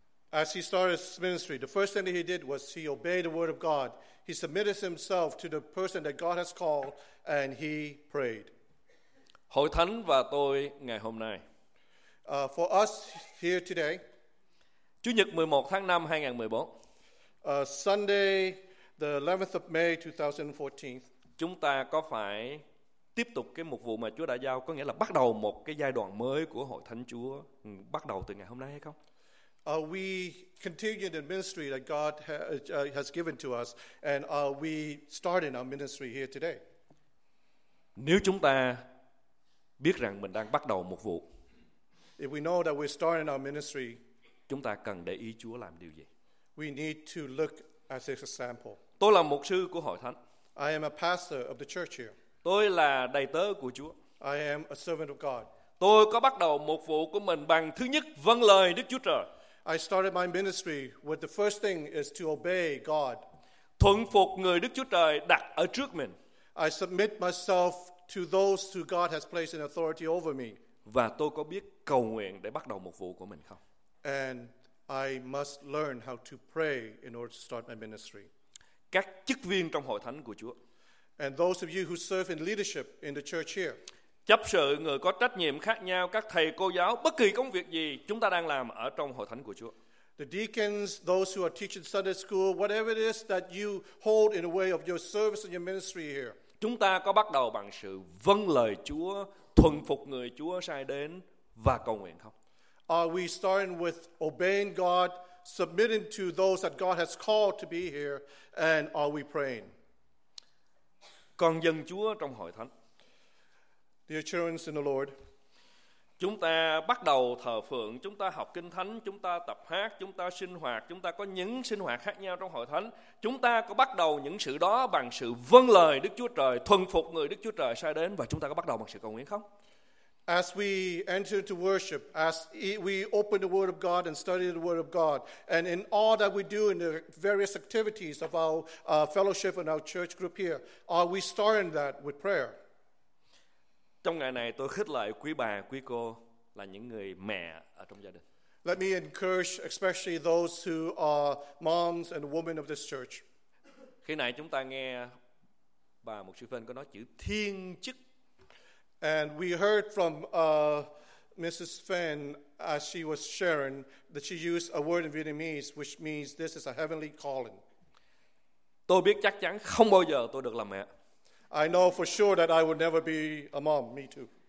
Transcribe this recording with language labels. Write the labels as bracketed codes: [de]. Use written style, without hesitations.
[en] As he started his ministry, the first thing that he did was he obeyed the word of God. He submitted himself to the person that God has called and he prayed. [vi] Hội thánh và tôi ngày hôm nay, [en] For us here today, [vi] Chủ nhật 11 tháng 5 2014, [en] Sunday the 11th of May 2014, [vi] chúng ta có phải tiếp tục cái mục vụ mà Chúa đã giao, có nghĩa là bắt đầu một cái giai đoạn mới của Hội Thánh Chúa bắt đầu từ ngày hôm nay hay không? [en] Are we continuing the ministry that God has given to us, and are we starting our ministry here today? [vi] Nếu chúng ta biết rằng mình đang bắt đầu một vụ, [en] if we know that we're starting our ministry, [vi] chúng ta cần để ý Chúa làm điều gì? [en] We need to look at his example. [vi] Tôi là mục sư của hội thánh. [en] I am a pastor of the church here. [vi] Tôi là đầy tớ của Chúa. [en] I am a servant of God. [vi] Tôi có bắt đầu một vụ của mình bằng thứ nhất vâng lời Đức Chúa Trời. [en] I started my ministry with the first thing is to obey God. [vi] Thuận phục người Đức Chúa Trời đặt ở trước mình. [en] I submit myself to those who God has placed in authority over me. [vi] Và tôi có biết cầu nguyện để bắt đầu một vụ của mình không? [en] And I must learn how to pray in order to start my ministry. [vi] Các chức viên trong hội thánh của Chúa. [en] And those of you who serve in leadership in the church here. [vi] Chấp sự, người có trách nhiệm khác nhau, các thầy cô giáo, bất kỳ công việc gì chúng ta đang làm ở trong hội thánh của Chúa. [en] The deacons, those who are teaching Sunday school, whatever it is that you hold in a way of your service and your ministry here. [vi] Chúng ta có bắt đầu bằng sự vâng lời Chúa, thuận phục người Chúa sai đến và cầu nguyện không? [en] Are we starting with obeying God, submitting to those that God has called to be here, and are we praying? [vi] Con dân Chúa trong hội thánh. [en] Dear children in the Lord. [vi] Chúng ta bắt đầu thờ phượng, chúng ta học kinh thánh, chúng ta tập hát, chúng ta sinh hoạt, chúng ta có những sinh hoạt khác nhau trong hội thánh. Chúng ta có bắt đầu những sự đó bằng sự vâng lời Đức Chúa Trời, thuần phục người Đức Chúa Trời sai đến, và chúng ta có bắt đầu bằng sự cầu nguyện không? [en] As we enter into worship, as we open the word of God and study the word of God, and in all that we do in the various activities of our fellowship and our church group here, are we starting that with prayer? [vi] Trong ngày này tôi khích lệ quý bà, quý cô là những người mẹ ở trong gia đình. [en] Let me encourage especially those who are moms and women of this church. [vi] Khi nãy chúng ta nghe bà Mục Sư Phân có nói chữ thiên chức. [en] And we heard from Mrs. Phân as she was sharing that she used a word in Vietnamese which means this is a heavenly calling. [vi] Tôi biết chắc chắn không bao giờ tôi được làm mẹ. [en] I know for sure that I would never be a mom, me too.